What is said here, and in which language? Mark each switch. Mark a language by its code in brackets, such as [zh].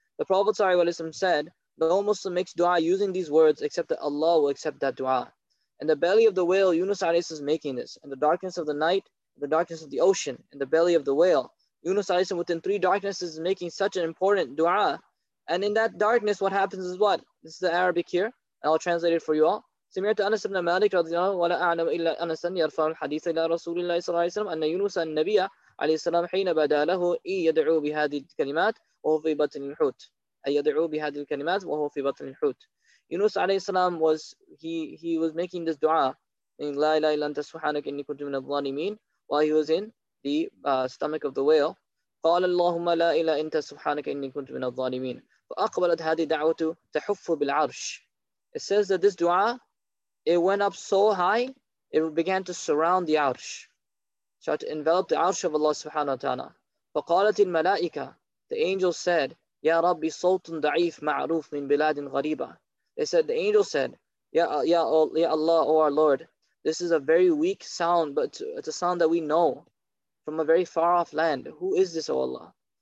[en] The Prophet sallallahu alayhi wa sallam said, no Muslim makes dua using these words except that Allah will accept that dua. In the belly of the whale, Yunus alayhi salam is making this. In the darkness of the night, the darkness of the ocean, in the belly of the whale, Yunus alayhi salam within three darknesses is making such an important dua. And in that darkness, what happens is what? This is the Arabic here, and I'll translate it for you all. [ar] سمعت أنس بن مالك رضي الله عنه ولا أعلم إلا أنس يرفع الحديث إلى رسول الله صلى الله عليه وسلم أن يونس النبي عليه السلام حين بدا له إي يدعو بهذه الكلمات وهو في بطن الحوت أي يدعو بهذه الكلمات وهو في بطن الحوت. يونس عليه السلام [en] was he was making this dua in [ar] لا إله إلا أنت سبحانك إني كنت من الظالمين [en] while he was in the stomach of the whale. [ar] قال اللهم لا إله أنت سبحانك إني كنت من الظالمين فأقبلت هذه الدعوة تحف بالعرش. [en] It says that this dua, it went up so high, it began to surround the arsh. So to envelop the arsh of Allah subhanahu wa ta'ala. [ar] فَقَالَتِ الْمَلَائِكَةِ [en] The angel said, [ar] يَا رَبِّ صَوْتٌ ضَعِيف مَعْرُوف مِنْ بِلَادٍ غَرِيبًا [en] They said, the angel said, يَا Allah, O our Lord, this is a very weak sound, but it's a sound that we know from a very far off land. Who is this, O Allah?